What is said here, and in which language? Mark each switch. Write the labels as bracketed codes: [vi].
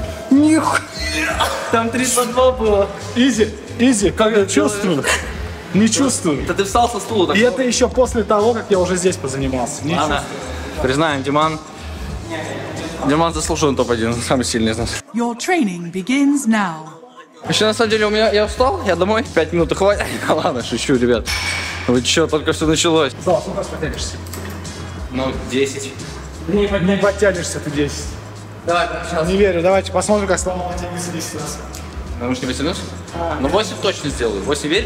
[ru] Нихуя! Там 32 было. Изи, изи, как я чувствую? Не чувствую. Это ты встал со стула. И это еще после того, как я уже здесь позанимался. Не чувствую. Признаем, Диман. Диман заслужен топ-1, самый сильный из нас. [en] Your training begins now. [ru] Еще на самом деле у меня, я устал, я домой, 5 минут хватит. Ладно, шучу, ребят. Вы че, только все началось. Слава, сколько раз потянешься? Ну, 10. Не потянешься ты 10. Давай, сейчас. Не верю, давайте посмотрим, как Слава потянется 10 раз. Потому что не потянусь? Ну, 8 точно сделаю. 8, верь?